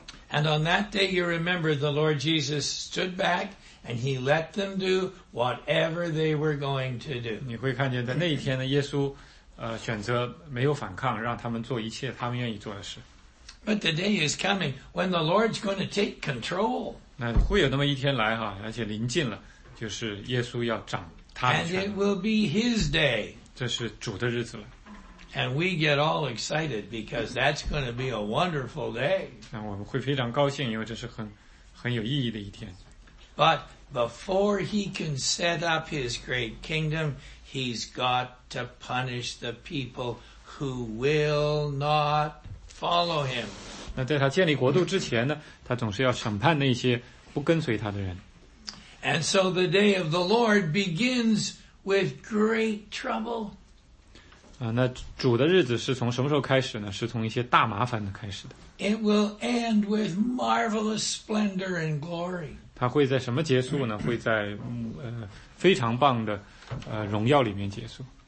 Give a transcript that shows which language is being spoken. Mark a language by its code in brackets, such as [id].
[en] And on that day, you remember, the Lord Jesus stood back and he let them do whatever they were going to do. [zh] 你会看见在那一天呢，耶稣选择没有反抗，让他们做一切他们愿意做的事。 [en] But the day is coming when the Lord's going to take control. [zh] 那会有那么一天来哈，而且临近了，就是耶稣要掌他的权了。 [en] And it will be His day. [zh] 这是主的日子了。 [en] And we get all excited because that's going to be a wonderful day. [zh] 那我们会非常高兴，因为这是很有意义的一天。 [en] But before He can set up His great kingdom, He's got to punish the people who will not. Follow him. [zh] 那在他建立国度之前呢，他总是要审判那些不跟随他的人。 [en] And so the day of the Lord begins with great trouble. [zh] 那主的日子是从什么时候开始呢？是从一些大麻烦的开始的。 [en] It will end with marvelous splendor and glory. [zh] 他会在什么结束呢？会在非常棒的荣耀里面结束。